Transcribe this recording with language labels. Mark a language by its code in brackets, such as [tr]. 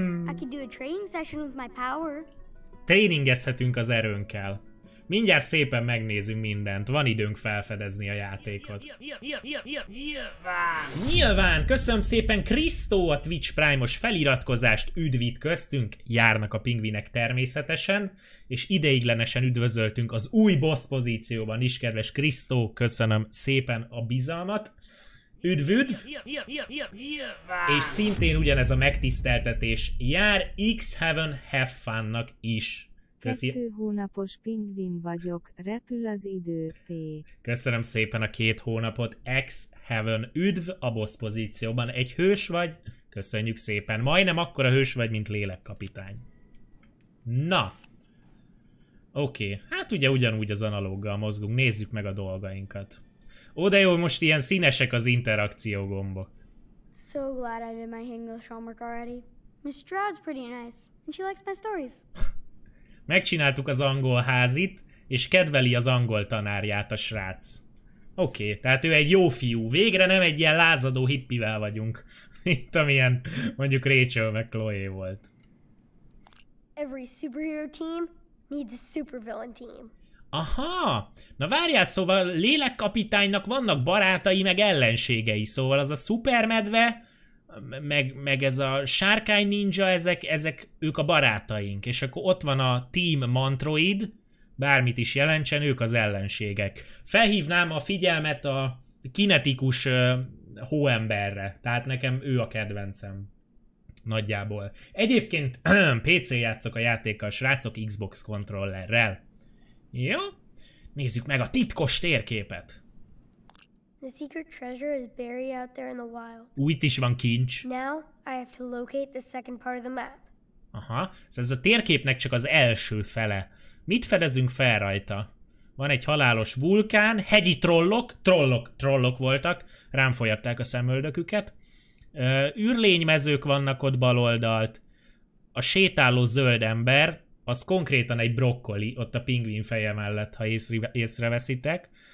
[en] I can do a training session with my power. [hu] Tréningezhetünk az erőnkkel. Mindjárt szépen megnézünk mindent. Van időnk felfedezni a játékot. Nyilván! Köszönöm szépen Krisztó a Twitch Prime-os feliratkozást. Üdvít köztünk. Járnak a pingvinek természetesen. És ideiglenesen üdvözöltünk az új boss pozícióban is, kedves Krisztó. Köszönöm szépen a bizalmat. Üdvüdv! És szintén ugyanez a megtiszteltetés jár X-Heaven Have Fun-nak is. Köszönöm. 2 hónapos pingvin vagyok, repül az idő, P. Köszönöm szépen a 2 hónapot, X-Heaven, üdv a boss pozícióban. Egy hős vagy? Köszönjük szépen. Majdnem akkora hős vagy, mint lélekkapitány. Na! Oké, hát ugye ugyanúgy az analóggal mozgunk, nézzük meg a dolgainkat. Ó, de jó, most ilyen színesek az interakció gombok. [en] So glad I did my English homework already. Miss Stroud's pretty nice, and she likes my stories. [hu] Megcsináltuk az angol házit, és kedveli az angol tanárját a srác. Oké, tehát ő egy jó fiú. Végre nem egy ilyen lázadó hippivel vagyunk. Mint amilyen mondjuk Rachel meg Chloe volt. [en] Every superhero team needs a supervillain team. Aha! [hu] Na várjál, szóval lélekkapitánynak vannak barátai meg ellenségei. Szóval az a szupermedve... Meg ez a sárkány ninja, ezek ők a barátaink. És akkor ott van a Team Mantroid, bármit is jelentsen, ők az ellenségek. Felhívnám a figyelmet a kinetikus hóemberre, tehát nekem ő a kedvencem. Nagyjából. Egyébként PC játszok a játékkal, srácok Xbox kontrollerrel. Jó? Nézzük meg a titkos térképet. [en] The secret treasure is buried out there in the wild. [hu] Itt is van kincs. [en] Now I have to locate the second part of the map. [hu] Aha, szóval ez a térképnek csak az első fele. Mit fedezünk fel rajta? Van egy halálos vulkán, hegyi trollok voltak, rám folyatták a szemöldöküket. Űrlénymezők vannak ott baloldalt. A sétáló zöld ember, az konkrétan egy brokkoli, ott a pingvin feje mellett, ha észreveszitek.